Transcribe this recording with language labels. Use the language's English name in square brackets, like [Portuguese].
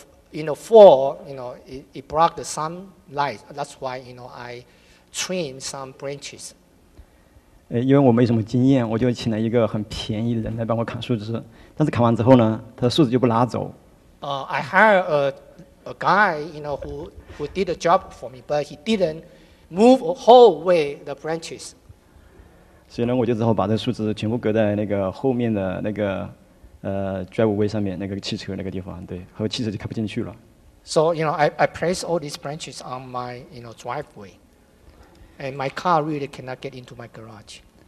[English] In the fall, you know, it blocked some light. That's why, you know, I trimmed some branches. [Chinese] 因为我没什么经验，我就请了一个很便宜的人来帮我砍树枝。但是砍完之后呢，他的树枝就不拉走。 [English] I hired a guy, you know, who did the job for me, but he didn't move a whole way the branches. [Chinese] 所以呢，我就只好把这树枝全部搁在那个后面的那个driveway上面那个汽车那个地方，对，后汽车就开不进去了。 [English] So you know, I place all these branches on my you know driveway, and my car really cannot get into my garage.